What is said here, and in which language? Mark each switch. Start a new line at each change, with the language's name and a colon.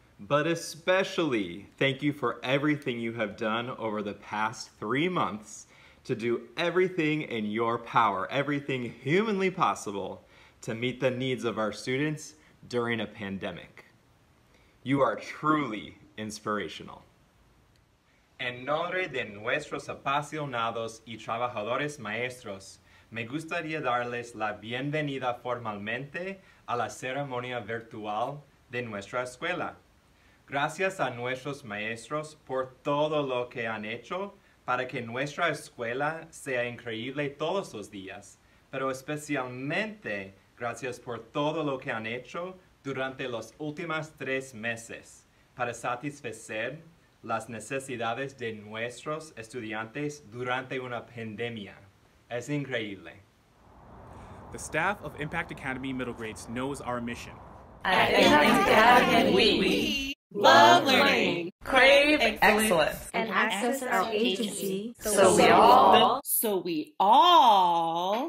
English: But especially thank you for everything you have done over the past 3 months to do everything in your power, everything humanly possible, to meet the needs of our students during a pandemic. You are truly inspirational.
Spanish: En nombre de nuestros apasionados y trabajadores maestros, me gustaría darles la bienvenida formalmente a la ceremonia virtual de nuestra escuela. Gracias a nuestros maestros por todo lo que han hecho para que nuestra escuela sea increíble todos los días, pero especialmente gracias por todo lo que han hecho durante los últimos 3 meses para satisfacer las necesidades de nuestros estudiantes durante una pandemia. Es increíble.
English: The staff of Impact Academy Middle Grades knows our mission. At Impact Academy, we love learning, crave excellence, and access our agency so we all